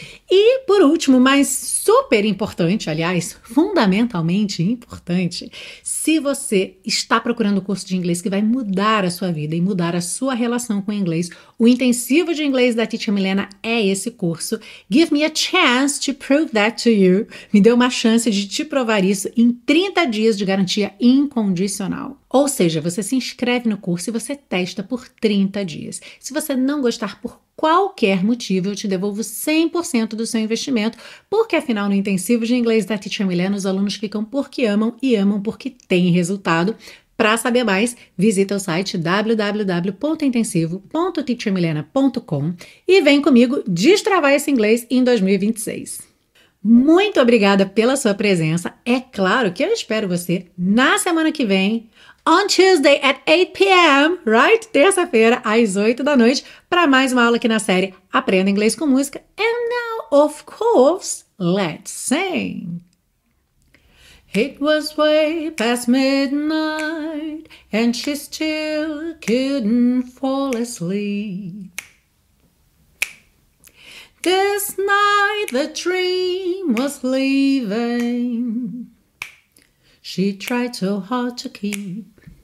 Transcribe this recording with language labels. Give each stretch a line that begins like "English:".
Portuguese: E por último, mas super importante, aliás, fundamentalmente importante, se você está procurando um curso de inglês que vai mudar a sua vida e mudar a sua relação com o inglês, o intensivo de inglês da Teacher Milena é esse curso.
English: Give me a chance to prove that to you.
Portuguese: Me dê uma chance de te provar isso em 30 dias de garantia incondicional. Ou seja, você se inscreve no curso e você testa por 30 dias. Se você não gostar por qualquer motivo, eu te devolvo 100% do seu investimento, porque afinal, no intensivo de inglês da Teacher Milena, os alunos ficam porque amam e amam porque têm resultado. Para saber mais, visita o site www.intensivo.teachermilena.com e vem comigo destravar esse inglês em 2026. Muito obrigada pela sua presença. É claro que eu espero você na semana que vem,
English: on Tuesday at 8 p.m., right?
Portuguese: Terça-feira, às 8 da noite, para mais uma aula aqui na série Aprenda Inglês com Música.
English: And now, of course, let's sing! It was way past midnight, and she still couldn't fall asleep. This night the dream was leaving, she tried so hard to keep.